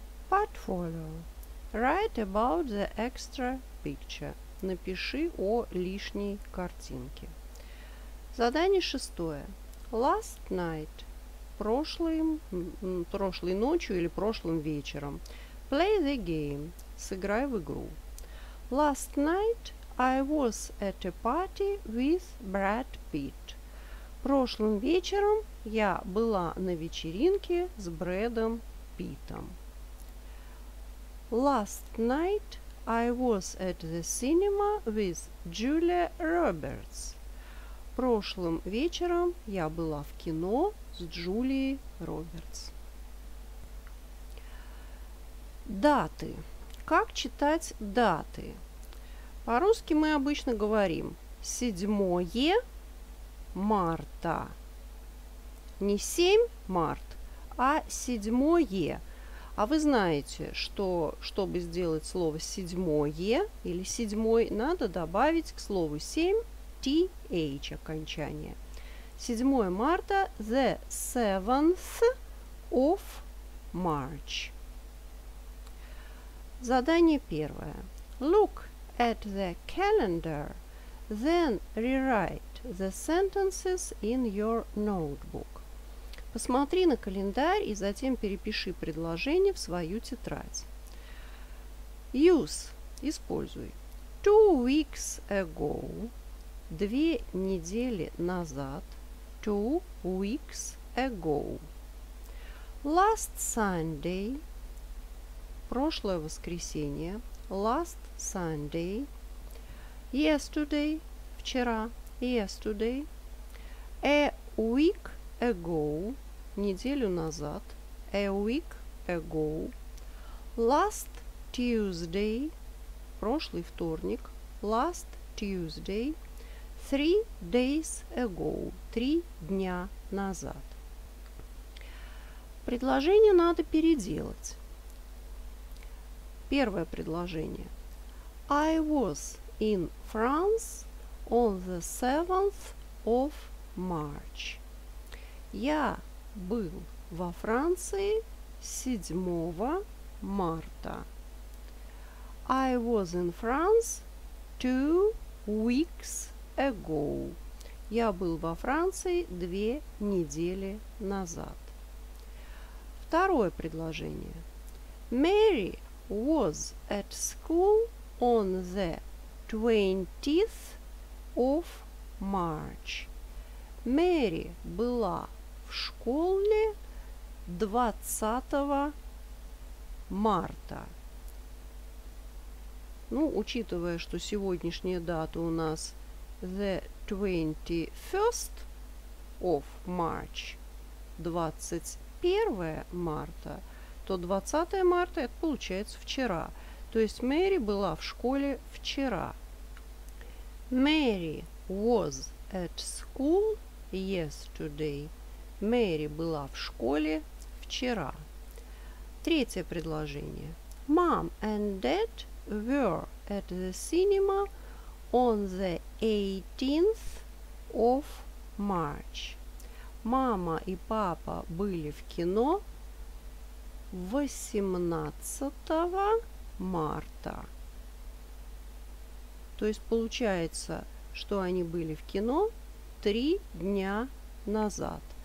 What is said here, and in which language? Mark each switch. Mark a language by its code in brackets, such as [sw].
[en] Portfolio. Write about the extra picture. [ru] Напиши о лишней картинке. Задание шестое. [en] Last night. [ru] Прошлой ночью или прошлым вечером. [en] Play the game. [ru] Сыграй в игру. [en] Last night I was at a party with Brad Pitt. [ru] Прошлым вечером я была на вечеринке с Брэдом Питтом. [en] Last night I was at the cinema with Julia Roberts. [ru] Прошлым вечером я была в кино с Джулией Робертс. Даты. Как читать даты? По-русски мы обычно говорим 7 марта. Не 7 март, а 7. А вы знаете, что, чтобы сделать слово «седьмое» или «седьмой», надо добавить к слову «семь» «th» окончание. [en] 7 марта – «the 7th of March». [ru] Задание первое. [en] Look at the calendar, then rewrite the sentences in your notebook. [ru] Посмотри на календарь и затем перепиши предложение в свою тетрадь. [en] Use. Используй. 2 weeks ago. [ru] 2 недели назад. [en] 2 weeks ago. Last Sunday. [ru] Прошлое воскресенье. [en] Last Sunday. Yesterday. Вчера. Yesterday. A week ago. [ru] Неделю назад. [en] A week ago. Last Tuesday. [ru] Прошлый вторник. [en] Last Tuesday. 3 days ago. [ru] 3 дня назад. Предложение надо переделать. Первое предложение. [en] I was in France on the 7th of March. [ru] Я был во Франции 7 марта. [en] I was in France 2 weeks ago. [ru] Я был во Франции 2 недели назад. Второе предложение. [en] Mary was at school on the 20th of March. [ru] Mary была в школе 20 марта. Ну, учитывая, что сегодняшняя дата у нас [en] the 21st of March, [ru] 21 марта, то 20 марта это получается вчера. То есть Мэри была в школе вчера. [en] Mary was at school yesterday. [ru] Мэри была в школе вчера. Третье предложение. [en] Mom and Dad were at the cinema on the 18th of March. [ru] Мама и папа были в кино 18 марта. То есть получается, что они были в кино 3 дня назад.